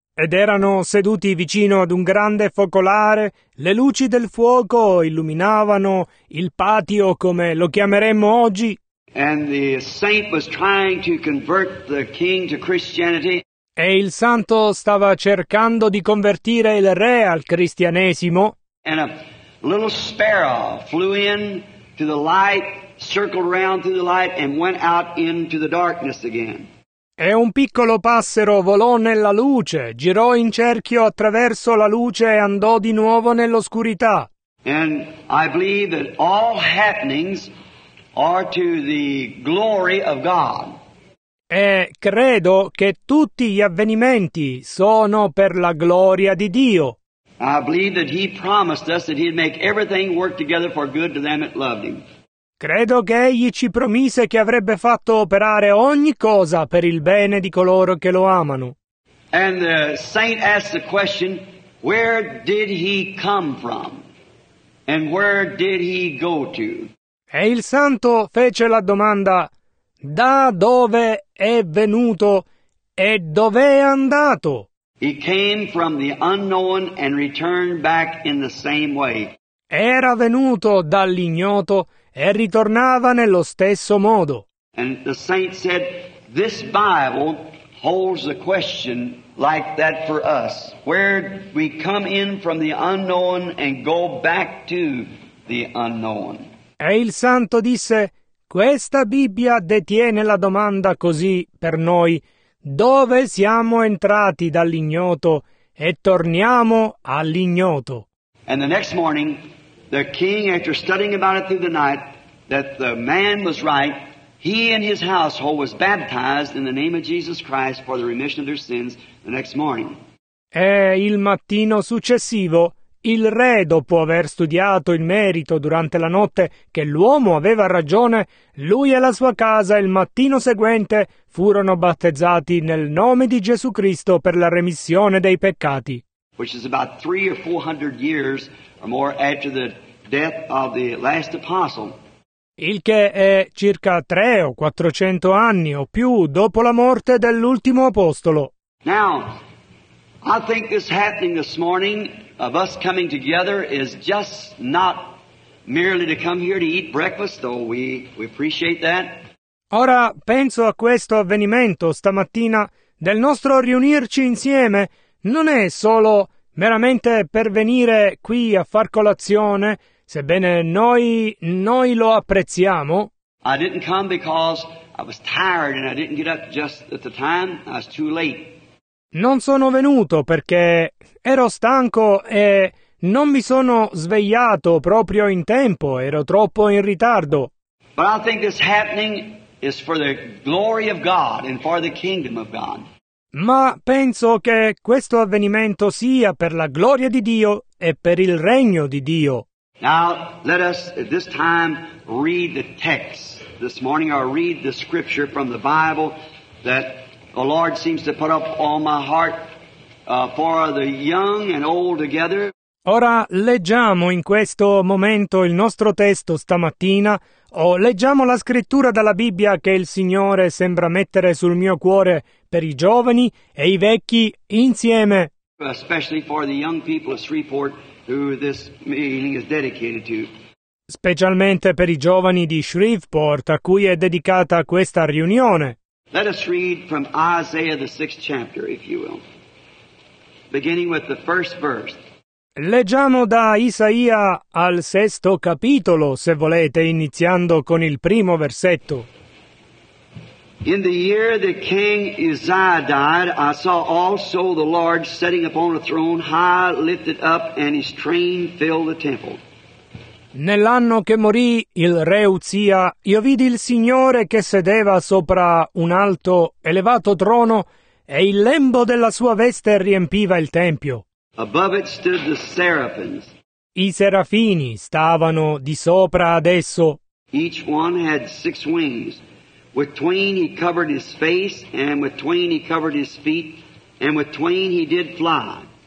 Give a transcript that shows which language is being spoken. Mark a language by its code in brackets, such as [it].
[it] Ed erano seduti vicino ad un grande focolare, le luci del fuoco illuminavano il patio, come lo chiameremmo oggi. [en] And the saint was trying to convert the king to Christianity. [it] E il santo stava cercando di convertire il re al cristianesimo. [en] And a little sparrow flew in to the light, circled around through the light, and went out into the darkness again. [it] E un piccolo passero volò nella luce, girò in cerchio attraverso la luce e andò di nuovo nell'oscurità. [en] And I believe that all happenings are to the glory of God. [it] E credo che tutti gli avvenimenti sono per la gloria di Dio. [en] I believe that he promised us that he'd make everything work together for good to them that loved him. [it] Credo che egli ci promise che avrebbe fatto operare ogni cosa per il bene di coloro che lo amano. [en] And the saint asked the question, where did he come from? And where did he go to? [it] E il santo fece la domanda, da dove è venuto e dove è andato? [en] He came from the unknown and returned back in the same way. [it] Era venuto dall'ignoto e ritornava nello stesso modo. [en] And the saint said, this Bible holds a question like that for us. Where we come in from the unknown and go back to the unknown. [it] E il santo disse, questa Bibbia detiene la domanda così per noi. Dove siamo entrati dall'ignoto e torniamo all'ignoto? [en] And the next morning, the king, after studying about it through the night, that the man was right, he and his household was baptized in the name of Jesus Christ for the remission of their sins the next morning. [it] E il mattino successivo, il re, dopo aver studiato il merito durante la notte, che l'uomo aveva ragione, lui e la sua casa il mattino seguente furono battezzati nel nome di Gesù Cristo per la remissione dei peccati. [en] Which is about 300 or 400 years or more after the death of the last apostle. [it] Il che è circa 300 o 400 anni o più dopo la morte dell'ultimo apostolo. [en] Now, I think this happening this morning of us coming together is just not merely to come here to eat breakfast, though we appreciate that. [it] Ora penso a questo avvenimento stamattina del nostro riunirci insieme. Non è solo meramente per venire qui a far colazione, sebbene noi lo apprezziamo. [en] I didn't come because I was tired and I didn't get up just at the time. I was too late. [it] Non sono venuto perché ero stanco e non mi sono svegliato proprio in tempo, ero troppo in ritardo. [en] But I think this happening is for the glory of God and for the kingdom of God. [it] Ma penso che questo avvenimento sia per la gloria di Dio e per il regno di Dio. [en] Now, let us at this time read the text this morning, or read the scripture from the Bible that the Lord seems to put up on my heart for the young and old together. [it] Ora leggiamo in questo momento il nostro testo stamattina, o leggiamo la scrittura dalla Bibbia che il Signore sembra mettere sul mio cuore per i giovani e i vecchi insieme. [en] Especially for the young people of Shreveport who this meeting is dedicated to. [it] Specialmente per i giovani di Shreveport a cui è dedicata questa riunione. [en] Let us read from Isaiah the 6th chapter, if you will, beginning with the first verse. [it] Leggiamo da Isaia al 6º capitolo, se volete, iniziando con il primo versetto. [en] In the year that King Uzziah died, I saw also the Lord sitting upon a throne, high lifted up, and his train filled the temple. [it] Nell'anno che morì il re Uzia, io vidi il Signore che sedeva sopra un alto, elevato trono, e il lembo della sua veste riempiva il tempio. [en] Above it stood the seraphims. [it] I serafini stavano di sopra ad esso. [en] Each one had 6 wings. With twain he covered his face, and with twain he covered his feet, and with twain he did fly.